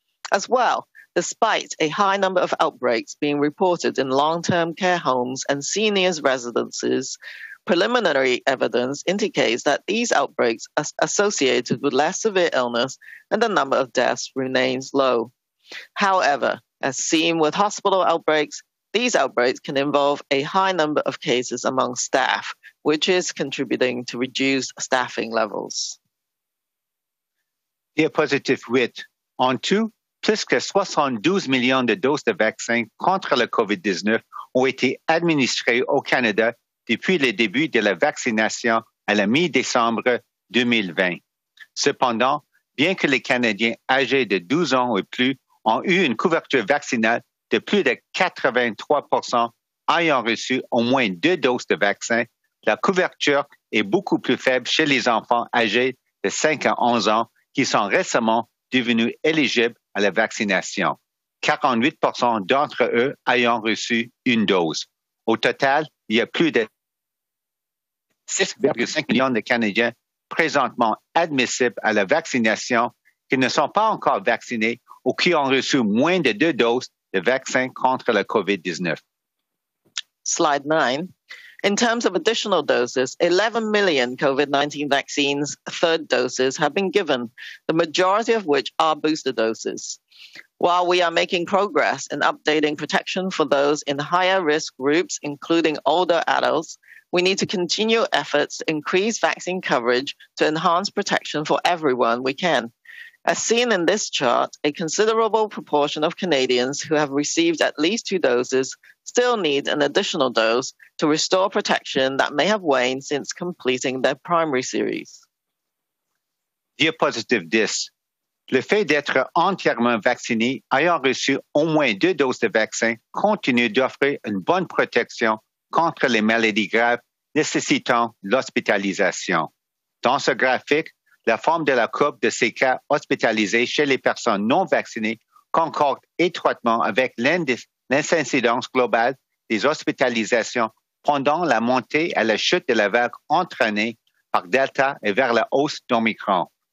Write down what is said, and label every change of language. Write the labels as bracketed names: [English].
[English] As well, despite a high number of outbreaks being reported in long-term care homes and seniors' residences, preliminary evidence indicates that these outbreaks are associated with less severe illness and the number of deaths remains low. However, as seen with hospital outbreaks, these outbreaks can involve a high number of cases among staff, which is contributing to reduced staffing levels. [French] Diapositive 8. En tout, plus que 72 millions de doses de vaccins contre le COVID-19 ont été administrées au Canada depuis le début de la vaccination à la mi-décembre 2020. Cependant, bien que les Canadiens âgés de 12 ans ou plus ont eu une couverture vaccinale de plus de 83 % ayant reçu au moins deux doses de vaccin, la couverture est beaucoup plus faible chez les enfants âgés de 5 à 11 ans qui sont récemment devenus éligibles à la vaccination, 48 % d'entre eux ayant reçu une dose. Au total, il y a plus de 6,5 millions de Canadiens présentement admissibles à la vaccination qui ne sont pas encore vaccinés ou qui ont reçu moins de deux doses de vaccin contre la COVID-19. [English] Slide 9. In terms of additional doses, 11 million COVID-19 vaccines, third doses, have been given, the majority of which are booster doses. While we are making progress in updating protection for those in higher risk groups, including older adults, we need to continue efforts to increase vaccine coverage to enhance protection for everyone we can. As seen in this chart, a considerable proportion of Canadians who have received at least two doses still need an additional dose to restore protection that may have waned since completing their primary series. [French] Diapositive 10. Le fait d'être entièrement vacciné ayant reçu au moins deux doses de vaccin continue d'offrir une bonne protection contre les maladies graves nécessitant l'hospitalisation. Dans ce graphique, la forme de la courbe de ces cas hospitalisés chez les personnes non vaccinées concorde étroitement avec l'incidence globale des hospitalisations pendant la montée et la chute de la vague entraînée par Delta et vers la hausse d'Omicron.